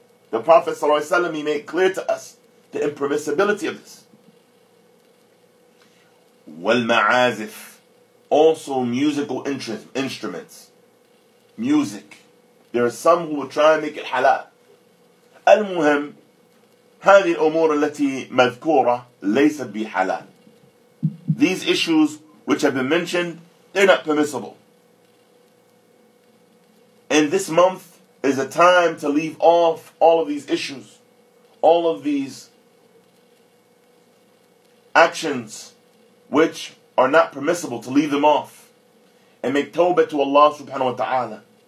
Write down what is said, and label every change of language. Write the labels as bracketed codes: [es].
[en] The Prophet صلى الله عليه وسلم, he made clear to us the impermissibility of this. والمعازف, also musical instruments. Music. There are some who will try and make it halal. [ar] المهم هذه الأمور التي مذكورة ليست بحلال. [en] These issues which have been mentioned, they're not permissible. And this month is a time to leave off all of these issues, all of these actions which are not permissible, to leave them off and make tawbah to Allah subhanahu wa ta'ala.